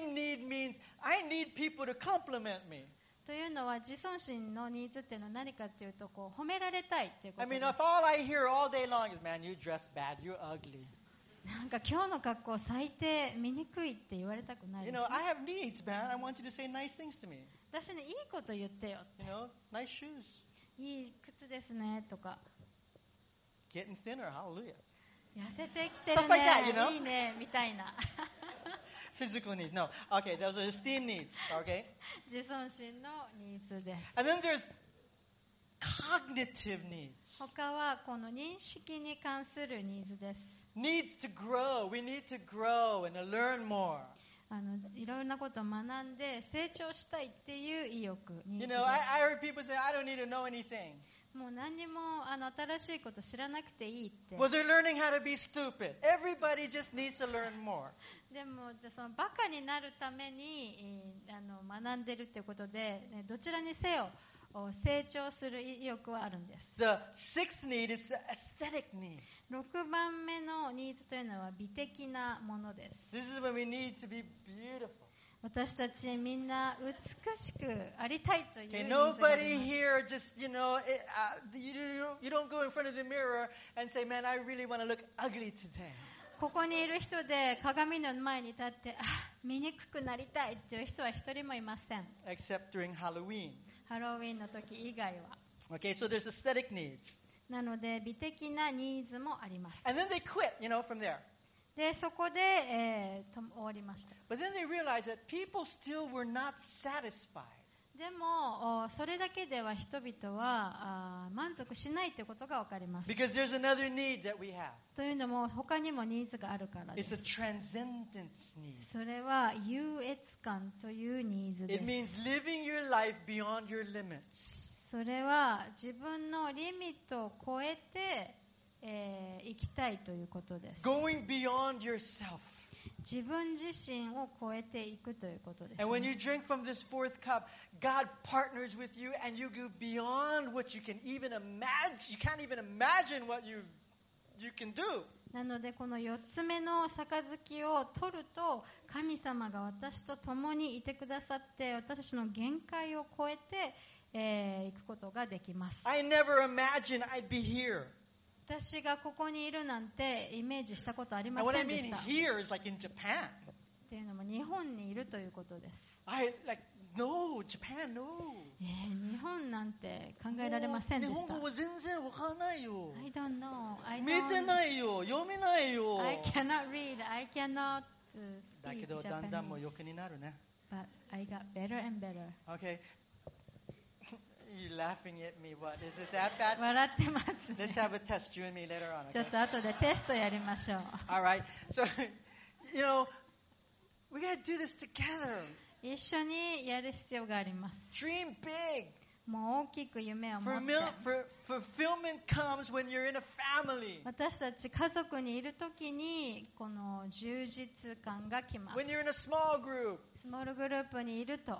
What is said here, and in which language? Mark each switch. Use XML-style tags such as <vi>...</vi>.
<en>Esteem need means I need people to compliment me.</en> <ja>というのは自尊心のニーズっていうのは何かというとこう褒められたいっていうことです。</ja> <en>I mean, if all I hear all day long is, man, you dress bad, you're ugly.</en> <ja>なんか今日の格好最低、醜いって言われたくない、ね。</ja> <en>You know, I have needs, man. I want you to say nice things to me.</en> <ja>私ね、いいこと言ってよって。</ja> <en>You know, nice shoes.</en> <ja>いい靴ですねとか。</ja> <en>Getting thinner, hallelujah.</en> <ja>痩せてきてるね。</ja> <en>Like that, you know?</en> <ja>いいねみたいな。</ja> <en>Physical needs. No. Okay, those are esteem needs. Okay.</en> <ja>自尊心のニーズです。</ja> <en>And then there's cognitive needs.</en> <ja>他はこの認識に関するニーズです。</ja> <en>Needs to grow. We need to grow and learn more.</en> <ja>いろんなことを学んで成長したいっていう意欲。</ja> <en>You know, I heard people say, I don't need to know anything.</en> <ja>もう何にも新しいこと知らなくていいって。</ja> <en>Well, they're learning how to be stupid. Everybody just needs to learn more.</en> <ja>でもじゃそのバカになるために学んでるってことで、ね、どちらにせよ成長する意欲はあるんです。</ja> <en>The sixth need is the aesthetic need.</en> <ja>六番目のニーズというのは美的なものです。</ja> <en>This is when we need to be beautiful.</en> <ja>私たちみんな美しくありたいという意味です。</ja> <en>Okay, nobody here just, you know, you don't go in front of the mirror and say, man, I really want to look ugly today.</en> <ja>ここにいる人で鏡の前に立って、あ、見にくくなりたいという人は一人もいません。</ja> <en>Except during Halloween.</en> <ja>ハロウィンの時以外は。</ja> <en>Okay, so there's aesthetic needs.</en> <ja>なので美的なニーズもあります。</ja> <en>And then they quit, you know, from there.</en> <ja>でそこで、終わりました。</ja> <en>But then they realized that people still were not satisfied.</en> <ja>でもそれだけでは人々は満足しないということが分かります。</ja> <en>Because there's another need that we have.</en> <ja>というのも他にもニーズがあるからです。</ja> <en>It's a transcendence need.</en> <ja>それは優越感というニーズです。</ja> <en>It means living your life beyond your limits.</en> <ja>それは自分のリミットを超えて行きたいということです。</ja> <en>Going beyond yourself.</en> <ja>自分自身を超えていくということです、ね。</ja> <en>And when you drink from this fourth cup, God partners with you and you go beyond what you can even imagine. You can't even imagine what you can do.</en> <ja>なのでこの4つ目の杯を取ると神様が私と共にいてくださって私たちの限界を超えて、行くことができます。</ja> <en>I never imagined I'd be here.</en> <ja>私がここにいるなんてイメージしたことありませんでした。</ja> <en>What I mean here is like in Japan.</en> <ja>っていうのも日本にいるということです。</ja> <en>I like no Japan no.</en> <ja>日本なんて考えられませんでした。日本語は全然わからないよ。</ja> <en>I don't know. I don't...</en> <ja>見てないよ。読めないよ。</ja> <en>I cannot read. I cannot speak Japanese.</en> <ja>だけどだんだんも良くになるね。</ja> <en>But I got better and better. Okay. You're laughing at me. What? Is it that bad?</en> <ja>笑ってますね。</ja> <en>Let's have a test, you and me, later on.</en> <ja>ちょっと後でテストやりましょう。</ja> <en>All right. So, you know, we gotta do this together.</en> <ja>一緒にやる必要があります。</ja> <en>Dream big.</en> <ja>もう大きく夢を持って。</ja> <en>Fulfillment comes when you're in a family.</en> <ja>私たち家族にいるときにこの充実感がきます。</ja> <en>When you're in a small group.</en> <ja>スモールグループにいると。</ja>